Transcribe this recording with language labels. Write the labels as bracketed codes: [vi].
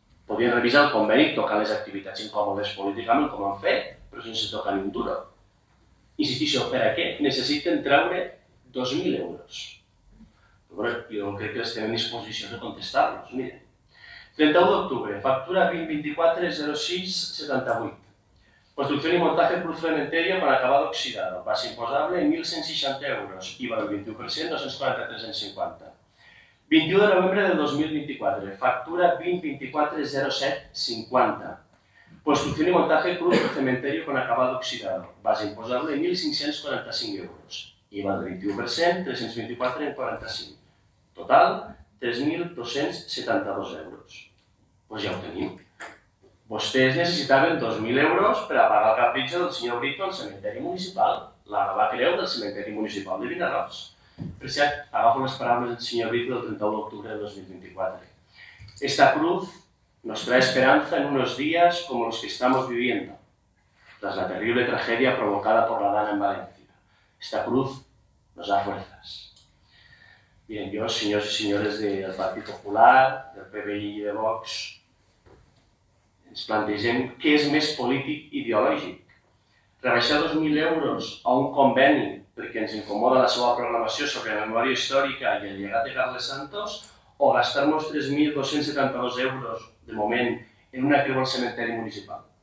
[ca] Podrien revisar el conveni, tocar les activitats incòmodes políticament, com han fet, però sense tocar ni un duro. Insistixo, per a què necessiten treure 2.000 euros? Però jo crec que estem en disposició de contestar-los. 31 d'octubre, factura 2024-06-78. [es] Construcción y montaje cruz cementerio con acabado oxidado. [ca] Base imposable 1.160 euros. IVA del 21%, 243,50. 21 de novembre de 2024, factura 2024-07-50. [es] Construcción y montaje cruz cementerio con acabado oxidado. [ca] Base imposable 1.545 euros. IVA del 21%, 324,45. Total, 3.272 euros. Doncs ja ho tenim. Vostès necessitaven 2.000 euros per a pagar el capritxo del senyor Brito al cementeri municipal, la nova creu del cementeri municipal de Vinaròs. Per cert, agafo les paraules del senyor Brito del 31 d'octubre de 2024. [es] Esta cruz nos trae esperanza en unos días como los que estamos viviendo, tras la terrible tragedia provocada por la Dana en Valencia. Esta cruz nos da fuerzas. Bien, yo, señores y señores [ca] del Partit Popular, del PBI i de Vox, ens plantegem què és més polític i ideològic. Rebaixar 2.000 euros a un conveni perquè ens incomoda la seva programació sobre la memòria històrica i el llegat de Carles Santos, o gastar-nos 3.272 euros, de moment, en una creu al cementeri municipal.